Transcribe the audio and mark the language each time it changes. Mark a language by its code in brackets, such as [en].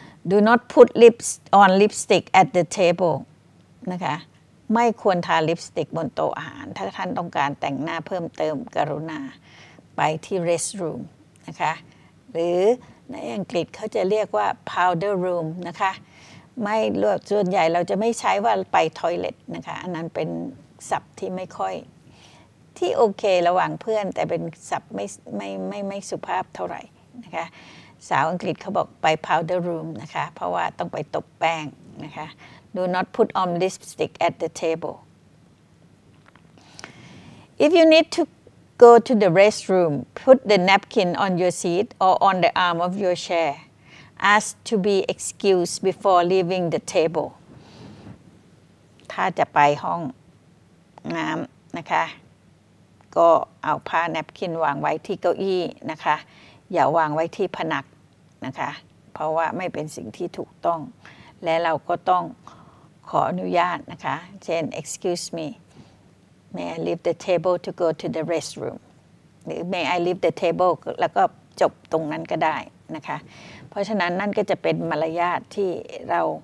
[en] Do not put lips on lipstick at the table [th] นะคะไม่ควรทาลิปสติกบนโต๊ะอาหารถ้าท่านต้องการแต่งหน้าเพิ่มเติมกรุณาไปที่เรสต์รูมนะคะหรือในอังกฤษเขาจะเรียกว่าพาวเดอร์รูมนะคะไม่รวบส่วนใหญ่เราจะไม่ใช้ว่าไปทอยเลทนะคะอันนั้นเป็นศัพท์ที่ไม่ค่อย ที่โอเคระหว่างเพื่อนแต่เป็นศัพท์ไม่สุภาพเท่าไหร่นะคะสาวอังกฤษเขาบอกไปพาวเดอร์รูมนะคะเพราะว่าต้องไปตบแป้งนะคะ [en] Do not put on lipstick at the table. If you need to go to the restroom, put the napkin on your seat or on the arm of your chair. Ask to be excused before leaving the table. [th] ถ้าจะไปห้องน้ำนะคะก็เอาผ้า napkin วางไว้ที่เก้าอี้นะคะอย่าวางไว้ที่ผนังนะคะเพราะว่าไม่เป็นสิ่งที่ถูกต้องและเราก็ต้องขออนุญาตนะคะเช่น [en] excuse me may I leave the table to go to the restroom [th] หรือ [en] may I leave the table [th] แล้วก็จบตรงนั้นก็ได้นะคะเพราะฉะนั้นนั่นก็จะเป็นมารยาทที่เรา